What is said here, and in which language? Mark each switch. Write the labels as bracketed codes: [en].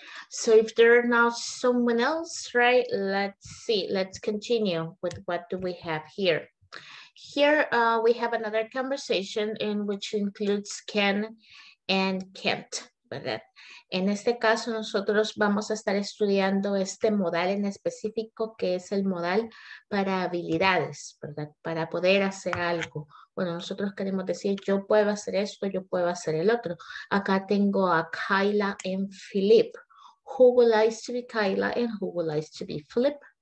[en] So if there are not someone else, right? Let's see, let's continue with what do we have here. Here we have another conversation in which includes Ken and Kent, [es] ¿verdad? En este caso, nosotros vamos a estar estudiando este modal en específico, que es el modal para habilidades, ¿verdad? Para poder hacer algo. Bueno, nosotros queremos decir, yo puedo hacer esto, yo puedo hacer el otro. Acá tengo a Kyla and Philip. [en] Who would like to be Kyla and who would like to be Philip?